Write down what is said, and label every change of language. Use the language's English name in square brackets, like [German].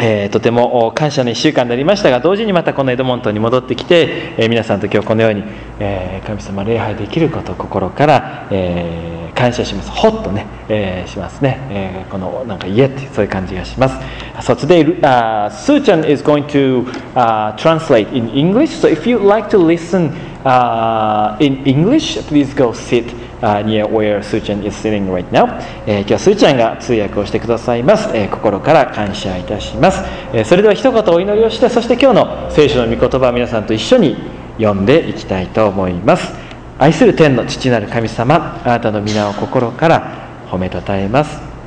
[Japanese] とても感謝の1週間になりましたが、同時にまたこのエドモントンに戻ってきて、皆さんと今日このように、神様礼拝できることを心から、感謝します。ほっとね、しますね、このなんか家ってそういう感じがします。 [English] So today Su-chan is going to translate in English. So if you'd like to listen in English, please go sitnear where Su-chan is sitting right now. [Japanese] 今日はSu-chanが通訳をしてくださいます。心から感謝いたします。それでは一言お祈りをして、そして今日の聖書の御言葉を皆さんと一緒に読んでいきたいと思います。愛する天の父なる神様、あなたの御名を心から褒めたたえます。